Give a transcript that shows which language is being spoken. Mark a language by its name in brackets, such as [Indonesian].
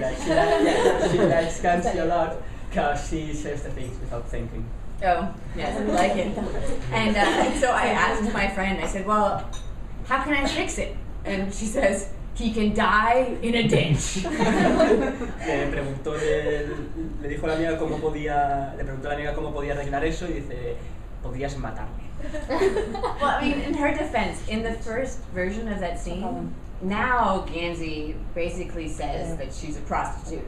[English] likes Gansi a lot because she says the things without thinking. Oh, yes, I like it. And so I asked my friend, I said, "Well, how can I fix it?" And she says, "He can die in a ditch." [Spanish] Le preguntó a la amiga cómo podía arreglar eso y dice, "Podrías matarme." [English] Well, I mean, in her defense, in the first version of that scene, now Gansi basically says that she's a prostitute.